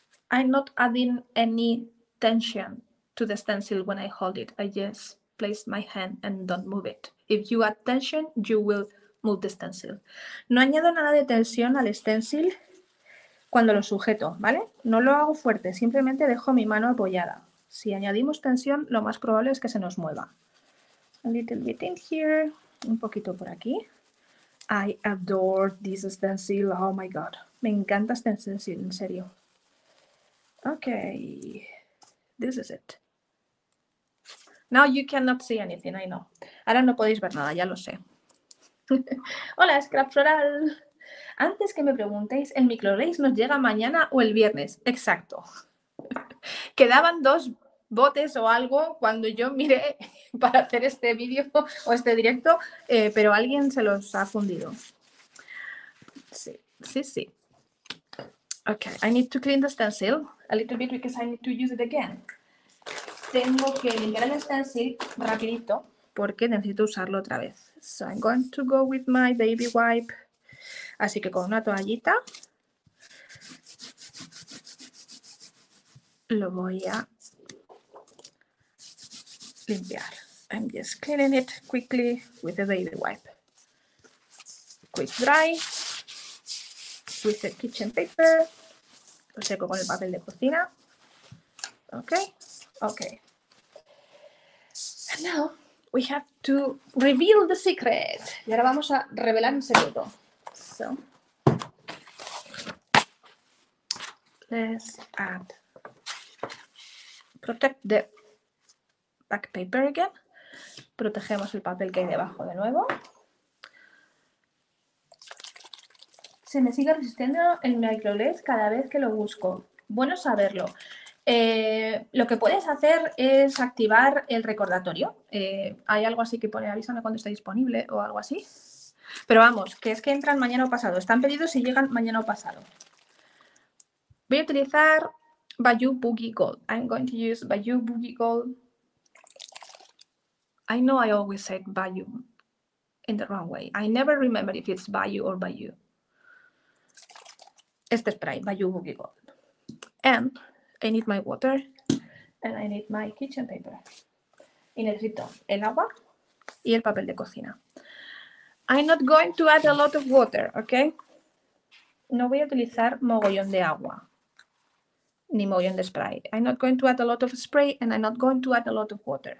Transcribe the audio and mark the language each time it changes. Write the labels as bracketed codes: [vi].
[en] I'm not adding any tension to the stencil when I hold it. I just place my hand and don't move it. If you add tension, you will move the stencil. [es] No añado nada de tensión al stencil cuando lo sujeto, ¿vale? No lo hago fuerte, simplemente dejo mi mano apoyada. Si añadimos tensión, lo más probable es que se nos mueva. [en] A little bit in here, [es] un poquito por aquí. [en] I adore this stencil, oh my god. [es] Me encanta este stencil, en serio. [en] Okay, this is it. Now you cannot see anything, I know. [es] Ahora no podéis ver nada, ya lo sé. Hola, Scrap Floral. Antes que me preguntéis, el microglaze nos llega mañana o el viernes. Exacto. Quedaban dos botes o algo cuando yo miré para hacer este vídeo o este directo, pero alguien se los ha fundido. Sí, sí, sí. [en] Okay, I need to clean the stencil a little bit because I need to use it again. [es] Tengo que limpiar el stencil rapidito porque necesito usarlo otra vez. [en] So I'm going to go with my baby wipe. [es] Así que con una toallita lo voy a limpiar. [en] I'm just cleaning it quickly with a baby wipe. Quick dry with the kitchen paper. [es] Lo seco con el papel de cocina. Okay, okay. [en] And now we have to reveal the secret. [es] Y ahora vamos a revelar un secreto. [en] So let's add protect the back paper again. [es] Protegemos el papel que hay debajo de nuevo. Se me sigue resistiendo el microglaze cada vez que lo busco. Bueno saberlo. Lo que puedes hacer es activar el recordatorio. Hay algo así que pone avísame cuando esté disponible o algo así. Pero vamos, que es que entran mañana o pasado. Están pedidos y llegan mañana o pasado. Voy a utilizar Bayou Boogie Gold. [en] I'm going to use Bayou Boogie Gold. I know I always said Bayou in the wrong way. I never remember if it's Bayou or Bayou. [es] Este spray by Yoo Boogie Gold. [en] And I need my water and I need my kitchen paper. [es] Y necesito el agua y el papel de cocina. [en] I'm not going to add a lot of water, okay? [es] No voy a utilizar mogollón de agua ni mogollón de spray. [en] I'm not going to add a lot of spray and I'm not going to add a lot of water.